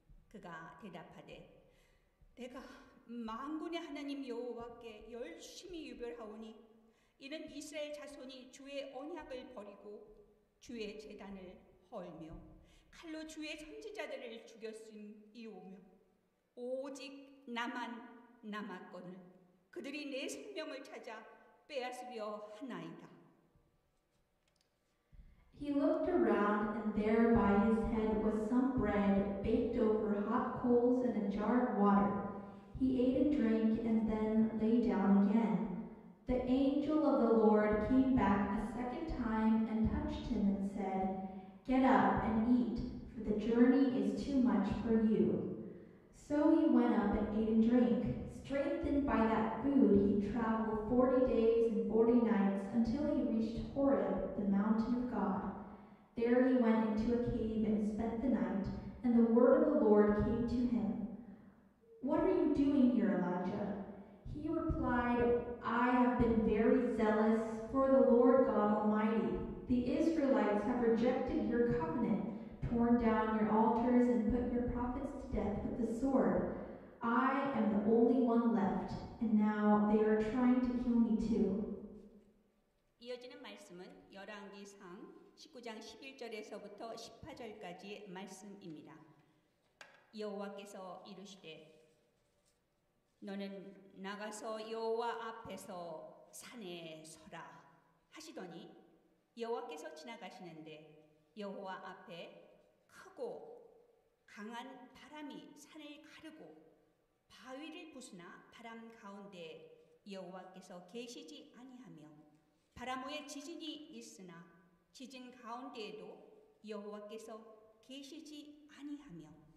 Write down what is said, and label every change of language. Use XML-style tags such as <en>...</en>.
<ko>그가 대답하되 내가 만군의 하나님 여호와께 열심히 유별하오니 이는 이스라엘 자손이 주의 언약을 버리고 주의 제단을 헐며 칼로 주의 선지자들을 죽였음 이오며 오직 나만 남았거늘 그들이 내 생명을 찾아 빼앗으려 하나이다.</ko> <en>He looked around and there by his head was some bread baked over hot coals and a jar of water. He ate and drank and then lay down again. The angel of the Lord came back a second time and touched him and said, Get up and eat, for the journey is too much for you. So he went up and ate and drank. Strengthened by that food, he traveled 40 days and 40 nights until he reached Horeb, the mountain of God. There he went into a cave and spent the night, and the word of the Lord came to him. What are you doing here, Elijah? He replied, I have been very zealous for the Lord God Almighty. The Israelites have rejected your covenant, torn down your altars and put your prophets to death with the sword. I am the only one left, and now they are trying to kill me too.</en> <ko>이어지는 말씀은 열왕기상 19장 11절에서부터 18절까지의 말씀입니다. 여호와께서 이르시되 너는 나가서 여호와 앞에서 산에 서라 하시더니 여호와께서 지나가시는데 여호와 앞에 크고 강한 바람이 산을 가르고 바위를 부수나 바람 가운데 여호와께서 계시지 아니하며 바람 후에 지진이 있으나 지진 가운데에도 여호와께서 계시지 아니하며</ko>